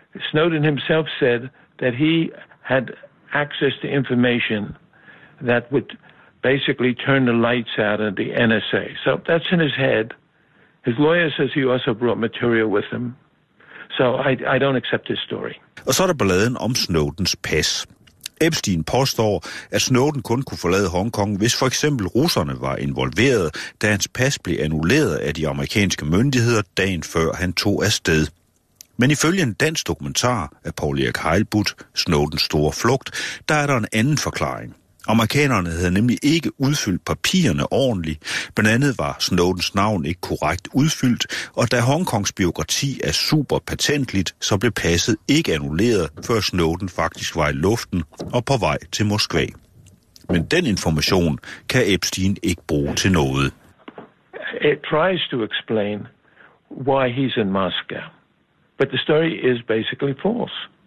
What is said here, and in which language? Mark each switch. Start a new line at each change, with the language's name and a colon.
English: Snowden himself said that he had access to information that would basically turn the lights out of the NSA. So that's in his head. His lawyer says he also brought material with him. So I don't accept his story.
Danish: Og så er der balladen om Snowdens pas. Epstein påstår, at Snowden kun kunne forlade Hongkong, hvis for eksempel russerne var involveret, da hans pas blev annulleret af de amerikanske myndigheder dagen før han tog afsted. Men ifølge en dansk dokumentar af Paul Erik Heilbutt, Snowdens store flugt, der er der en anden forklaring. Amerikanerne havde nemlig ikke udfyldt papirerne ordentligt, blandt andet var Snowdens navn ikke korrekt udfyldt, og da Hongkongs bureaukrati er super patentligt, så blev passet ikke annulleret, før Snowden faktisk var i luften og på vej til Moskva. Men den information kan Epstein ikke bruge til noget.
English: It tries to explain why he's in Moscow, but the story is basically false.